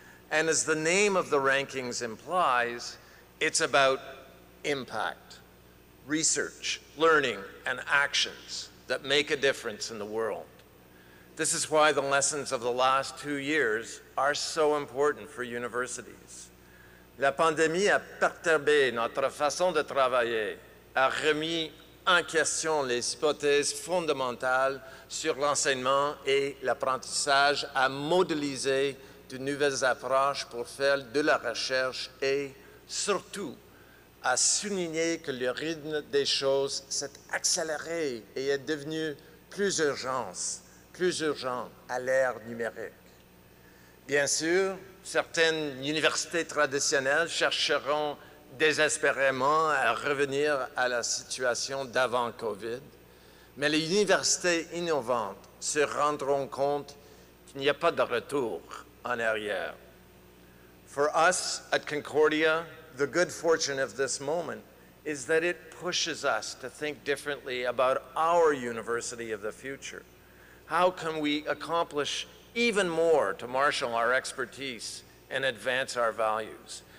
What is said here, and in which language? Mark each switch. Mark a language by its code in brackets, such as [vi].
[en] And as the name of the rankings implies, it's about impact, research, learning, and actions that make a difference in the world. This is why the lessons of the last 2 years are so important for universities. [fr] La pandémie a perturbé notre façon de travailler, a remis en question les hypothèses fondamentales sur l'enseignement et l'apprentissage, a modélisé de nouvelles approches pour faire de la recherche et, surtout, a souligné que le rythme des choses s'est accéléré et est devenu plus urgent à l'ère numérique. Bien sûr, certaines universités traditionnelles chercheront désespérément à revenir à la situation d'avant COVID, mais les universités innovantes se rendront compte qu'il n'y a pas de retour en arrière. [en] For us at Concordia, the good fortune of this moment is that it pushes us to think differently about our university of the future. How can we accomplish even more to marshal our expertise and advance our values?